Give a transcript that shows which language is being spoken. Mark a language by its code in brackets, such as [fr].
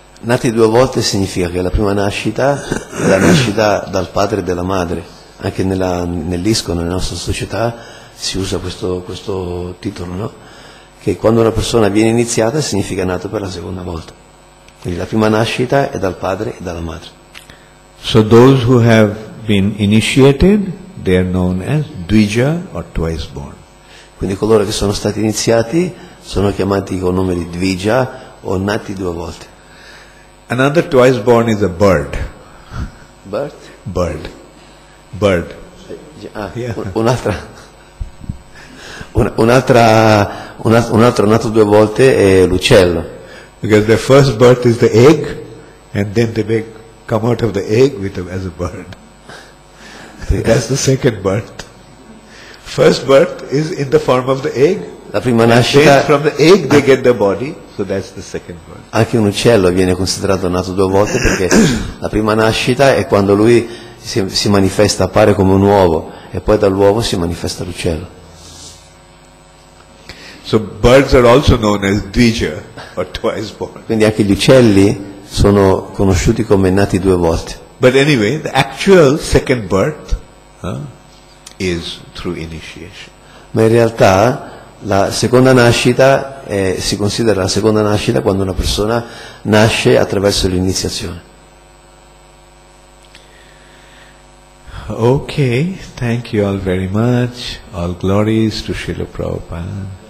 [it] Nati due volte significa che la prima nascita è la nascita dal padre e della madre. Anche nell'ISKCON, nella nostra società, si usa questo titolo, no? Che quando una persona viene iniziata significa nato per la seconda volta. Quindi la prima nascita è dal padre e dalla madre. [en] So those who have been initiated, they are known as Dvija or twice born. [it] Quindi coloro che sono stati iniziati sono chiamati con nome di Dvija o nati due volte. [en] Another twice born is a bird. Bird? Bird. Bird. [it] Un'altra. Un altro nato due volte è l'uccello. [en] Because the first birth is the egg, and then they may come out of the egg as a bird. That's the second birth. First birth is in the form of the egg. [it] La prima nascita. [en] From the egg they get the body, so that's the second birth. [it] Anche un uccello viene considerato nato due volte perché la prima nascita è quando lui si manifesta, appare come un uovo, e poi dall'uovo si manifesta l'uccello. [en] So birds are also known as Dvija or twice born. [it] Quindi anche gli uccelli sono conosciuti come nati due volte. [en] But anyway, the actual second birth is through initiation. [it] Ma in realtà la seconda nascita si considera la seconda nascita quando una persona nasce attraverso l'iniziazione. [en] Okay, thank you all very much. All glories to Srila Prabhupada.